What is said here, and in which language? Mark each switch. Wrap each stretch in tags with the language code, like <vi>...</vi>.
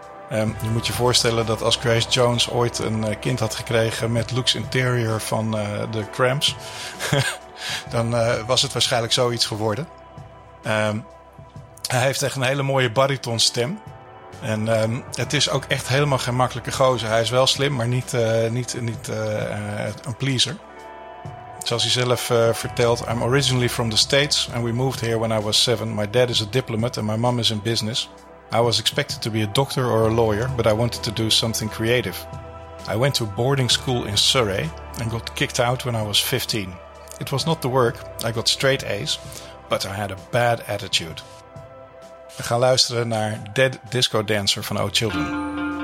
<nl>Je moet je voorstellen dat als Grace Jones ooit een kind had gekregen met Luke's Interior van de Cramps, dan was het waarschijnlijk zoiets geworden. Hij heeft echt een hele mooie baritonstem. En het is ook echt helemaal geen makkelijke gozer. Hij is wel slim, maar niet een pleaser. Zoals hij zelf vertelt,</nl> <en>I'm originally from the States and we moved here when I was 7. My dad is a diplomat and my mom is in business. I was expected to be a doctor or a lawyer, but I wanted to do something creative. I went to boarding school in Surrey and got kicked out when I was 15. It was not the work, I got straight A's, but I had a bad attitude.</en> <nl>We gaan luisteren naar Dead Disco Dancer van Oh Children.</nl>